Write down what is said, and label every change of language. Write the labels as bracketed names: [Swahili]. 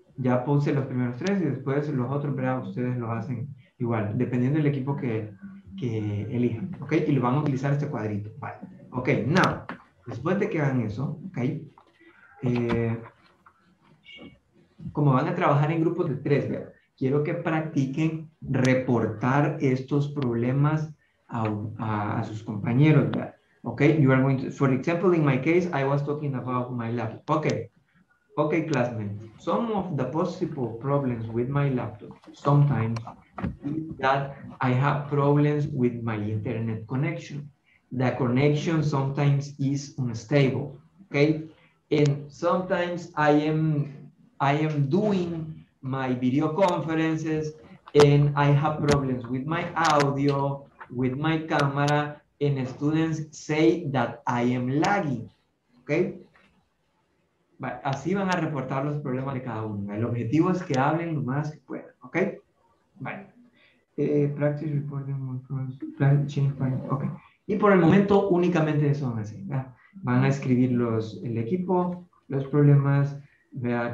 [Spanish] Ya puse los primeros tres y después los otros, ¿verdad? Ustedes lo hacen igual, dependiendo del equipo que elijan, ¿ok? Y lo van a utilizar este cuadrito. Vale. Ok, now, después de que hagan eso, ok, como van a trabajar en grupos de tres, ¿verdad? Quiero que practiquen reportar estos problemas a sus compañeros, ¿verdad? [English] Ok, you are going to, for example, in my case, I was talking about my laptop. Ok, ok, classmates, some of the possible problems with my laptop sometimes is that I have problems with my internet connection. The connection sometimes is unstable, okay? And sometimes I am doing my video conferences and I have problems with my audio, with my camera, and students say that I am lagging, okay? [Spanish] But así van a reportar los problemas de cada uno. El objetivo es que hablen lo más que puedan, okay? Bye. [English] Practice reporting my problems. Plan, change plan, okay. [Spanish] Y por el momento, únicamente eso van a hacer, ¿verdad? Van a escribir los, el equipo, los problemas, ¿verdad?